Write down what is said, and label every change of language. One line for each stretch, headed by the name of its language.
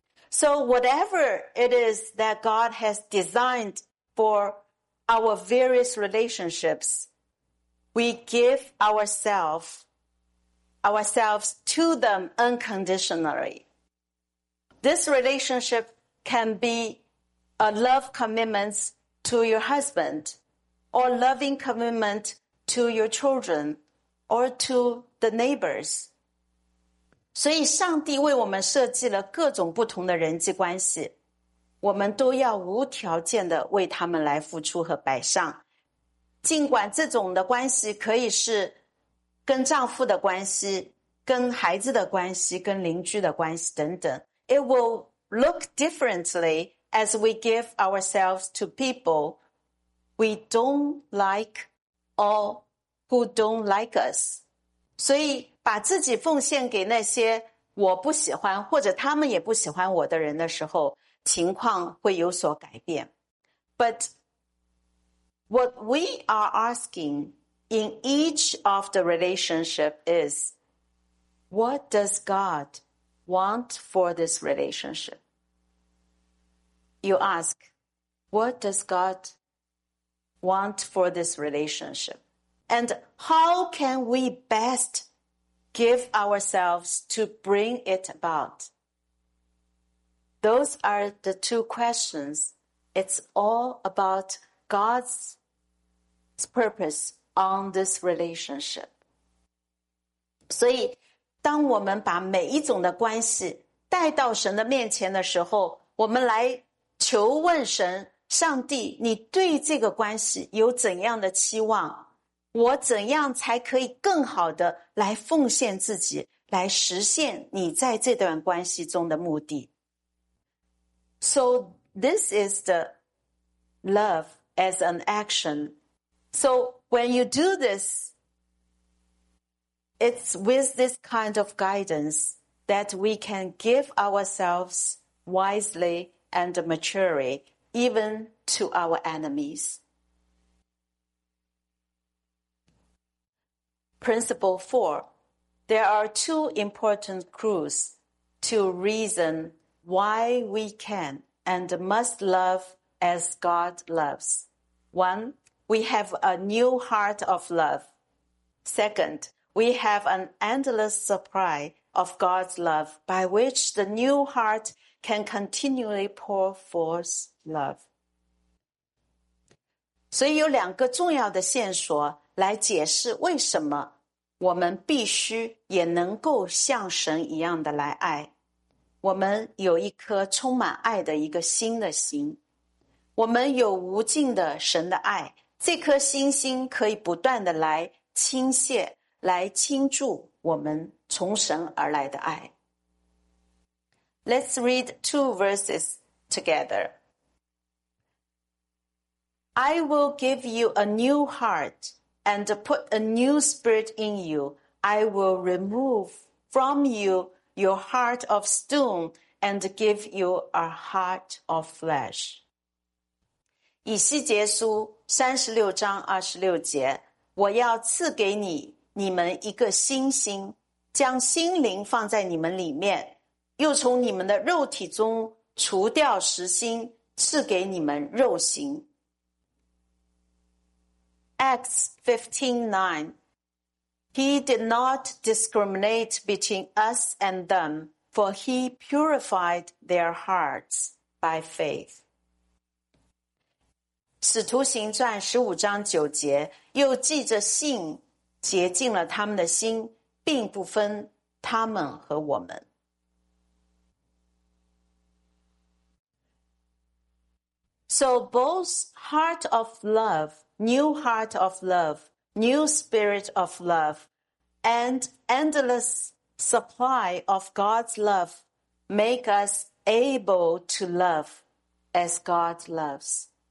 English: So whatever it is that God has designed for our various relationships, we give ourselves to them unconditionally. This relationship can be a love commitment to your husband, or loving commitment to your children, or to the neighbors.
Chinese: 所以上帝为我们设计了各种不同的人际关系，我们都要无条件的为他们来付出和摆上。尽管这种的关系可以是跟丈夫的关系，跟孩子的关系，跟邻居的关系等等。
English: It will look differently as we give ourselves to people we don't like or who don't like us.
Chinese: 所以把自己奉献给那些我不喜欢或者他们也不喜欢我的人的时候，情况会有所改变。
English: But what we are asking in each of the relationship is, what does God want for this relationship? You ask, what does God want for this relationship? And how can we best give ourselves to bring it about? Those are the two questions. It's all about God's purpose on this relationship.
Chinese: 所以当我们把每一种的关系带到神的面前的时候，我们来求问神，上帝，你对这个关系有怎样的期望？我怎样才可以更好的来奉献自己，来实现你在这段关系中的目的？
English: So this is the love as an action. So when you do this, it's with this kind of guidance that we can give ourselves wisely and maturely, even to our enemies. Principle 4. There are two important clues to reason why we can and must love as God loves. 1. We have a new heart of love. 2. We have an endless supply of God's love by which the new heart can continually pour forth love.
Chinese: 所以有两个重要的线索来解释为什么我们必须也能够像神一样的来爱。我们有一颗充满爱的一个新的心。我们有无尽的神的爱，这颗星星可以不断的来倾泻，来倾注我们从神而来的爱。
English: Let's read two verses together. I will give you a new heart and put a new spirit in you. I will remove from you your heart of stone and give you a heart of flesh.
Chinese: 以西结书36章26节，我要赐给你们一个新心，将心灵放在你们里面，又从你们的肉体中除掉石心，赐给你们肉心。
English: Acts 15:9 He did not discriminate between us and them, for he purified their hearts by faith.
Chinese: 使徒行传15章9节，又记着信洁净了他们的心，并不分他们和我们。
English: So both heart of love, new heart of love, new spirit of love, and endless supply of God's love make us able to love as God loves.